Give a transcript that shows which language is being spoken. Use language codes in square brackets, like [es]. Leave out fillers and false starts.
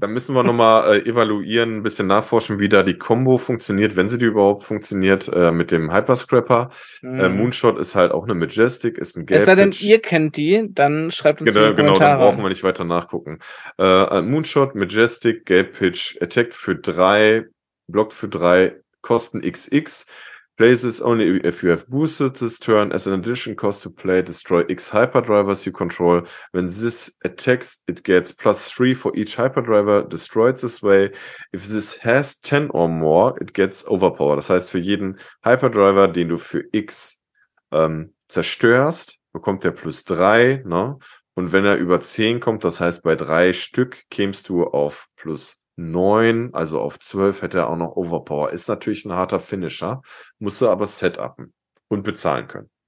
[de] Da müssen wir nochmal evaluieren, ein bisschen nachforschen, wie da die Combo funktioniert, wenn sie die überhaupt funktioniert, mit dem Hyperscrapper. Moonshot ist halt auch eine Majestic, ist ein Gelb. Es sei denn, ihr kennt die, dann schreibt uns genau, in die Kommentare. Genau, dann brauchen wir nicht weiter nachgucken. Moonshot, Majestic, Gelb Pitch, Attack für 3, Block für 3, Kosten XX. [en] Places only if you have boosted this turn. As an addition, cost to play, destroy X hyperdrivers you control. When this attacks, it gets +3 for each hyperdriver destroyed this way. If this has 10 or more, it gets overpowered. [de] Das heißt, für jeden Hyperdriver, den du für X zerstörst, bekommt der +3. Ne? Und wenn er über 10 kommt, das heißt, bei 3 Stück kämst du auf +9, also auf 12 hätte er auch noch Overpower. Ist natürlich ein harter Finisher. Musste aber setupen und bezahlen können.